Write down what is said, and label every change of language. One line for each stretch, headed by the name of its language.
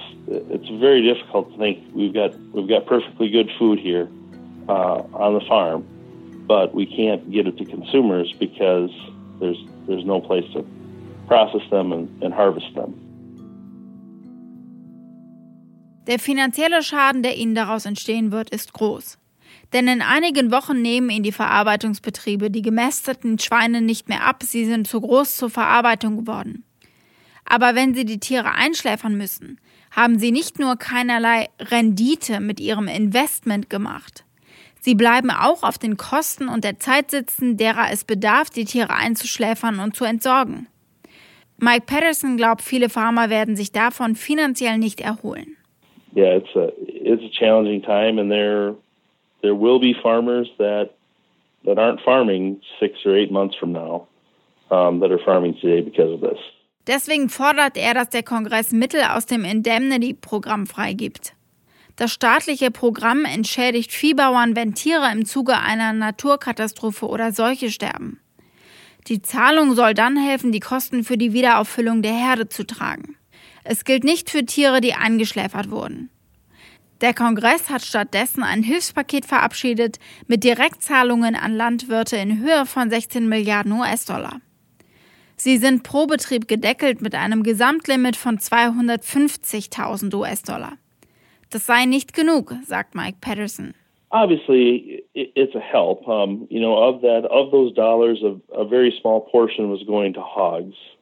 English: It's very difficult to think. We've got perfectly good food here on the farm, but we can't get it to consumers because there's no place to process them and harvest them.
German: Der finanzielle Schaden, der Ihnen daraus entstehen wird, ist groß. Denn in einigen Wochen nehmen ihn die Verarbeitungsbetriebe die gemästeten Schweine nicht mehr ab, sie sind zu groß zur Verarbeitung geworden. Aber wenn sie die Tiere einschläfern müssen, haben sie nicht nur keinerlei Rendite mit ihrem Investment gemacht. Sie bleiben auch auf den Kosten und der Zeit sitzen, derer es bedarf, die Tiere einzuschläfern und zu entsorgen. Mike Patterson glaubt, viele Farmer werden sich davon finanziell nicht erholen.
English: Yeah, it's a challenging time and there will be farmers that aren't farming 6 or 8 months from now, that are farming today because of this.
German: Deswegen fordert er, dass der Kongress Mittel aus dem Indemnity-Programm freigibt. Das staatliche Programm entschädigt Viehbauern, wenn Tiere im Zuge einer Naturkatastrophe oder Seuche sterben. Die Zahlung soll dann helfen, die Kosten für die Wiederauffüllung der Herde zu tragen. Es gilt nicht für Tiere, die eingeschläfert wurden. Der Kongress hat stattdessen ein Hilfspaket verabschiedet mit Direktzahlungen an Landwirte in Höhe von 16 Milliarden US-Dollar. Sie sind pro Betrieb gedeckelt mit einem Gesamtlimit von 250.000 US-Dollar. Das sei nicht genug, sagt Mike Patterson.
English: Obviously, it's a help. Of those dollars, a very small portion was going to hogs.